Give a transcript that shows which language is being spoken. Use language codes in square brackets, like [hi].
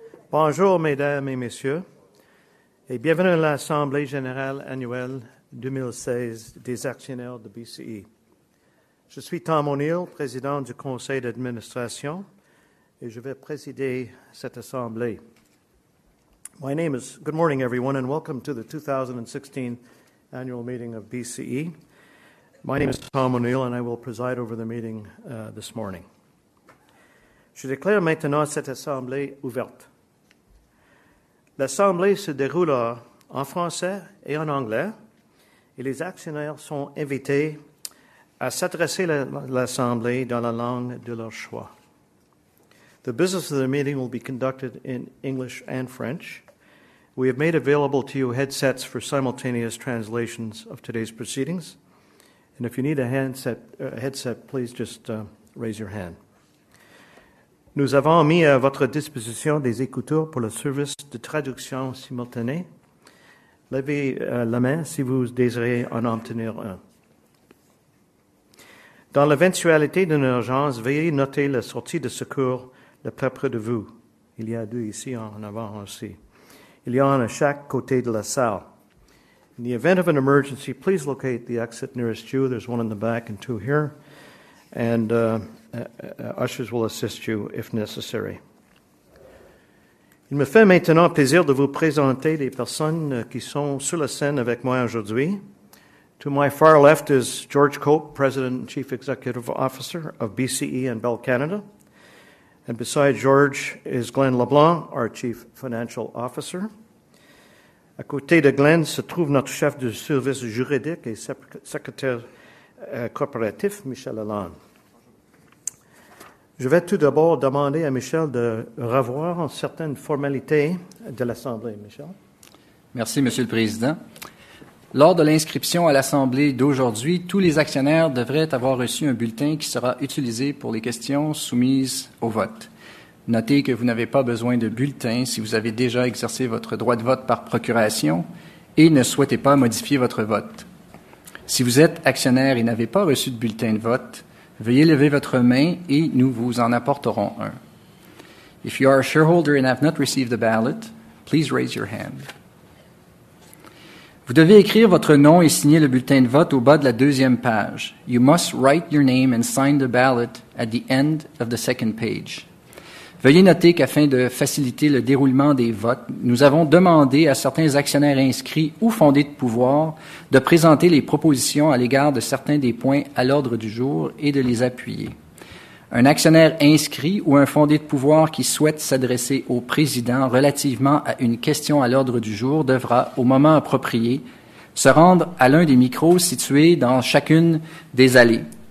[fr] Bonjour, mesdames et messieurs, et bienvenue à l'Assemblée générale annuelle 2016 des actionnaires de BCE. Je suis Tom O'Neill, président du conseil d'administration, et je vais présider cette assemblée. [en] Good morning, everyone, and welcome to the 2016 annual meeting of BCE. My name is Tom O'Neill, and I will preside over the meeting this morning. [fr] Je déclare maintenant cette assemblée ouverte. L'assemblée se déroule en français et en anglais, et les actionnaires sont invités à s'adresser à l'assemblée dans la langue de leur choix. [en] The business of the meeting will be conducted in English and French. We have made available to you headsets for simultaneous translations of today's proceedings. And if you need a headset, please just raise your hand. [fr] Nous avons mis à votre disposition des écouteurs pour le service de traduction simultanée. Levez la main si vous désirez en obtenir un. Dans l'éventualité d'une urgence, veuillez noter la sortie de secours le plus près de vous. Il y a deux ici en avant aussi. Il y en a à chaque côté de la salle. [en] In the event of an emergency, please locate the exit nearest you. There's one in the back and two here. And ushers will assist you if necessary. [fr] Il me fait maintenant plaisir de vous présenter les personnes qui sont sur la scène avec moi aujourd'hui. [en] To my far left is George Cope, President and Chief Executive Officer of BCE and Bell Canada. And beside George is Glenn LeBlanc, our Chief Financial Officer. [fr] À côté de Glenn se trouve notre chef de service juridique et secrétaire corporatif, Michel Allan. Je vais tout d'abord demander à Michel de revoir certaines formalités de l'Assemblée. Michel. Merci, Monsieur le Président. Lors de l'inscription à l'Assemblée d'aujourd'hui, tous les actionnaires devraient avoir reçu un bulletin qui sera utilisé pour les questions soumises au vote. Notez que vous n'avez pas besoin de bulletin si vous avez déjà exercé votre droit de vote par procuration et ne souhaitez pas modifier votre vote. Si vous êtes actionnaire et n'avez pas reçu de bulletin de vote, veuillez lever votre main et nous vous en apporterons un. [en] If you are a shareholder and have not received a ballot, please raise your hand. [fr] Vous devez écrire votre nom et signer le bulletin de vote au bas de la deuxième page. [en] You must write your name and sign the ballot at the end of the second page. [fr] Veuillez noter qu'afin de faciliter le déroulement des votes, nous avons demandé à certains actionnaires inscrits ou fondés de pouvoir de présenter les propositions à l'égard de certains des points à l'ordre du jour et de les appuyer. Un actionnaire inscrit ou un fondé de pouvoir qui souhaite s'adresser au président relativement à une question à l'ordre du jour devra, au moment approprié, se rendre à l'un des micros situés dans chacune des allées.